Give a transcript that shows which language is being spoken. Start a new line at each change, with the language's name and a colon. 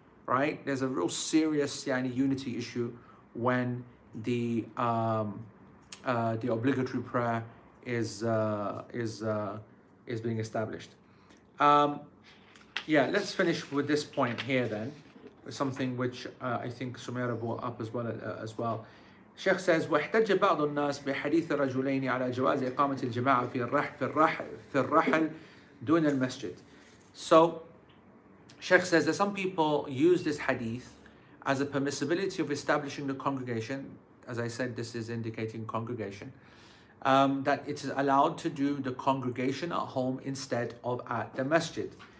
English: Right, there's a real serious yani unity issue when the obligatory prayer is being established. Let's finish with this point here then, something which I think Sumaira brought up as well. Sheikh says,
Arabic: واحتج بعض الناس بحديث رجلين على جواز إقامة الجماعة في الرحل دون المسجد.
English: So Sheikh says that some people use this hadith as a permissibility of establishing the congregation. As I said, this is indicating congregation. That it is allowed to do the congregation at home instead of at the masjid.